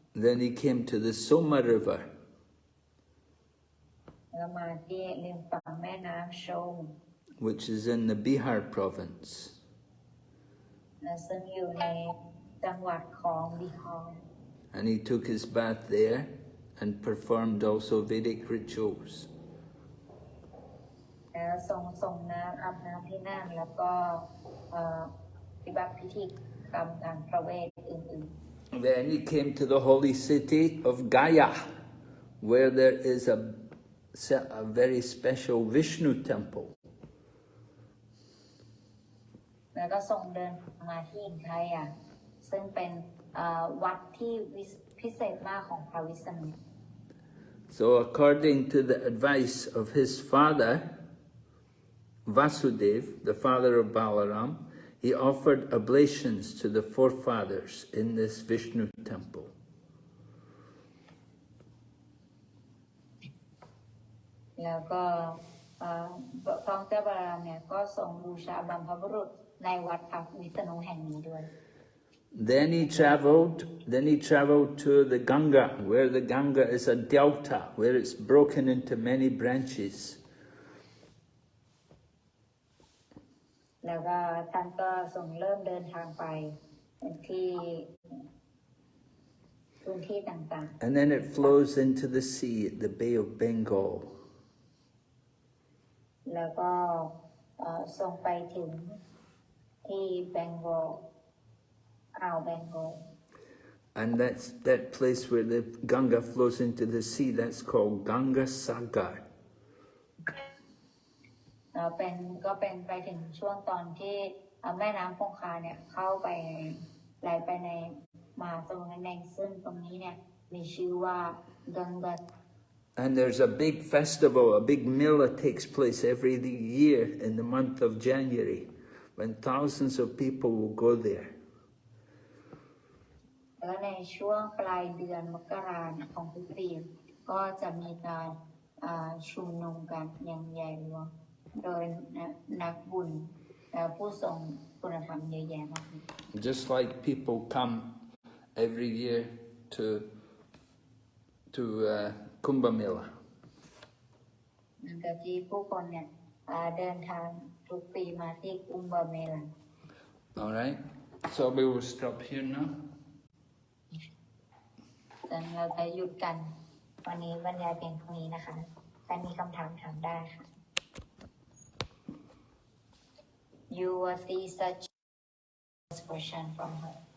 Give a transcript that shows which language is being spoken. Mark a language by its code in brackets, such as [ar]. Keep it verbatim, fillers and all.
[en] then he came to the Soma river, [th] แล้วมาที่ริมฝั่งแม่น้ำชง [en] which is in the Bihar province. [th] และซึ่งอยู่ในจังหวัดของบิฮาร [en] And he took his bath there and performed also Vedic rituals. [th] แล้วส่งส่งน้ำอาบน้ำที่นั่นแล้วก็เอ่อปฏิบัติพิธีกรรมทางประเวทอื่น [en] Then he came to the holy city of Gaya, where there is a, se- a very special Vishnu temple. [th] ๆ แล้วก็ส่งเดินมาที่อินทายะซึ่งเป็นเอ่อวัดที่วิสพิเศษมากของพระวิษณุ [en] So according to the advice of his father, Vasudev, the father of Balaram, he offered oblations to the forefathers in this Vishnu temple. [th] แล้วก็เอ่อพระองค์เจ้าบาลามเนี่ยก็ทรงบูชาบรรพบุรุษในวัดพระวิษณุแห่งนี้ด้วย [en] Then he traveled, then he traveled to the Ganga, where the Ganga is a delta, where it's broken into many branches. [th] แล้วก็ท่านก็ทรงเริ่มเดินทางไปที่พื้นที่ต่าง [en] And then it flows into the sea at the Bay of Bengal. [th] ๆ แล้วก็เอ่อทรงไปถึงที่แบงกอลอ่าวแบงกอล [en] And that's that place where the Ganga flows into the sea, that's called Ganga Sagar. [th] เอ่อเป็นก็เป็นไปถึงช่วงตอนที่เอ่อแม่น้ำคงคาเนี่ยเข้าไปไหลไปในมหาสมุทรนั่นเองซึ่งตรงนี้เนี่ยมีชื่อว่ากังกัต [en] And there's a big festival, a big mela takes place every year in the month of January, when thousands of people will go there. [th] แล้วในช่วงปลายเดือนมกราเนี่ยของทุกปีก็จะมีการอ่าชุมนุมกันอย่างใหญ่หลวงโดยนักบุญและผู้ทรงคุณธรรมเยอะแยะมากมาย [en] Just like people come every year to to uh, Kumbh Mela. [th] นั่นก็ที่ผู้คนเนี่ยอ่าเดินทางทุกปีมาที่กุมบาเมลา [en] All right. So we will stop here now. [th] จนเราจะหยุดกัน วันนี้บรรยายเพียงเท่านี้นะคะแต่มีคำถามถามได้ค่ะ [en] You will see such question from her